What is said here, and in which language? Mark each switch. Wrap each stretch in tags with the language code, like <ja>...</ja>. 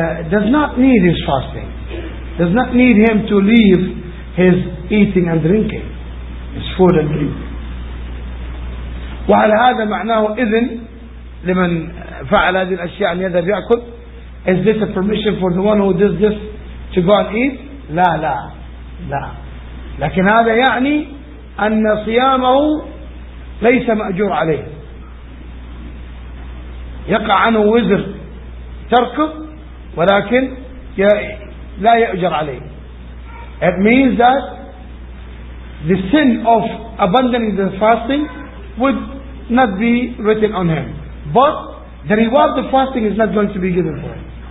<en>does not need his fasting, does not need him to leave his eating and drinking, his food and drink.</en> <ar>وعلى هذا معناه إذن لمن فعل هذه الأشياء أن يذهب يأكل. Is this a permission for the one who does this to go and eat? لا لا لا. لكن هذا يعني أن صيامه ليس مأجور عليه. يقع عنه وزر تركه ولكن لا يأجر عليه.</ar> <en>It means that the sin of abandoning the fasting would not be written on him, but the reward of fasting is not going to be given for him.</en>